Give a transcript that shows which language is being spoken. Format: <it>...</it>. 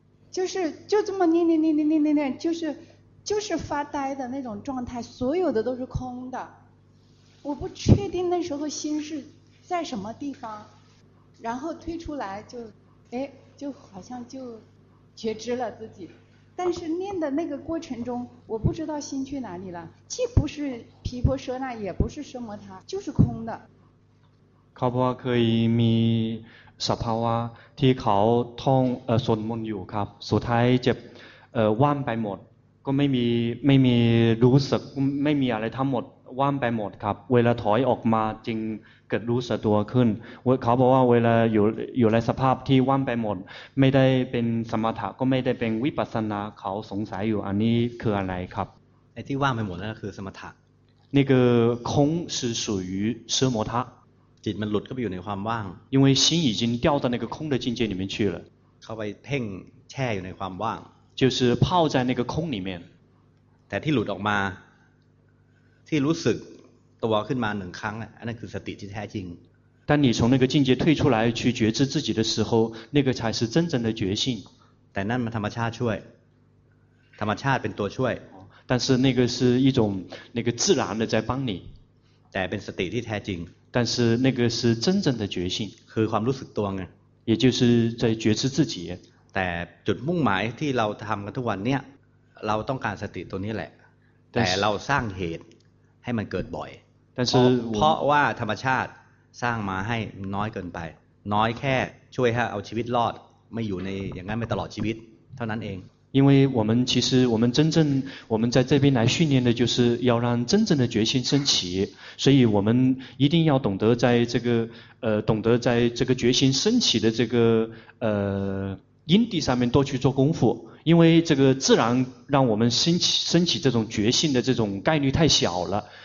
<zh>就是就这么念念念念念念念就是发呆的那种状态所有的都是空的我不确定那时候心是在什么地方然后推出来就哎就好像就觉知了自己但是念的那个过程中我不知道心去哪里了既不是毗婆舍那也不是奢摩他就是空的</zh> <th>เขาบอกว่าเคยมีสภาวะที่เขาท่องสวดมนต์อยู่ครับสุดท้ายจะว่างไปหมดก็ไม่มีรู้สึกไม่มีอะไรทั้งหมดว่างไปหมดครับเวลาถอยออกมาจริงเกิดรู้สึกตัวขึ้นเขาบอกว่าเวลาอยู่ในสภาพที่ว่างไปหมดไม่ได้เป็นสมถะก็ไม่ได้เป็นวิปัสสนาเขาสงสัยอยู่อันนี้คืออะไรครับ ไอ้ที่ว่างไปหมดนั่นคือสมถะ นี่คือ</th> <zh>空是属于奢摩他</zh> <th>จิตมันหลุดเข้าไปอยู่ในความว่าง</th> <zh>因为心已经掉到那个空的境界里面去了</zh> <th>เข้าไปเพ่งแช่อยู่ในความว่าง</th> <zh>就是泡在那个空里面</zh> <th>แต่ที่หลุดออกมาที่รู้สึกตัวขึ้นมาหนึ่งครั้งอันนั้นคือสติที่แท้จริง</th> <zh>当你从那个境界退出来去觉知自己的时候那个才是真正的觉性</zh> <th>แต่นั่นมันธรรมชาติช่วยธรรมชาติเป็นตัวช่วย</th> <zh>但是那个是一种那个自然的在帮你</zh> <th>แต่เป็นสติที่แท้จริง</th> <zh>但是那个是真正的觉性</zh> <th>คือความรู้สึกตัวไง</th> <zh>也就是在觉知自己</zh> <th>แต่จุดมุ่งหมายที่เราทำกันทุกวันเนี่ยเราต้องการสติตัวนี้แหละแต่เราสร้างเหตุให้มันเกิดบ่อย แต่ เพราะว่าธรรมชาติสร้างมาให้น้อยเกินไปน้อยแค่ช่วยให้เอาชีวิตรอดไม่อยู่ในอย่างนั้นไม่ตลอดชีวิตเท่านั้นเอง</th> <zh>因为我们其实我们真正我们在这边来训练的就是要让真正的决心升起，所以我们一定要懂得在这个懂得在这个决心升起的这个因地上面多去做功夫，因为这个自然让我们升起这种决心的这种概率太小了。</zh>